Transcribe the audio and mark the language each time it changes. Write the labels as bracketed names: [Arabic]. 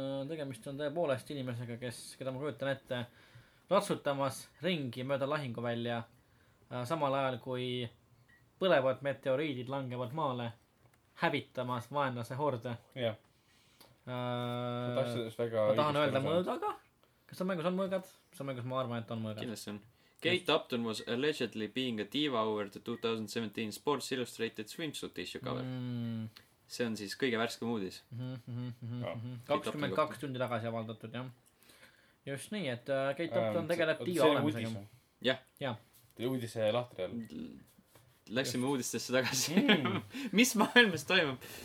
[Estonian] Tegemist on tõepoolest inimesega, keda ma kujutan ette ratsutamas ringi mööda lahingu välja samal ajal kui põlevad meteoriidid langevad maale hävitamas vaenlase horde. Ma tahan öelda mõõgaga. Kas on mängus on mõõgad? Kas on mängus ma arvan, et on mõõgad? Kindlasti on. [English] Kate Upton was allegedly being a diva over the 2017 Sports Illustrated swimsuit issue cover. [Estonian] See on siis kõige värske muudis. 22 tundi tagasi avaldatud, jah. Just nii, et Kate Upton tegeleb diva olemisega. Jah. Te uudise lahtrel. Läksime uudistesse tagasi. Mis maailmas toimub?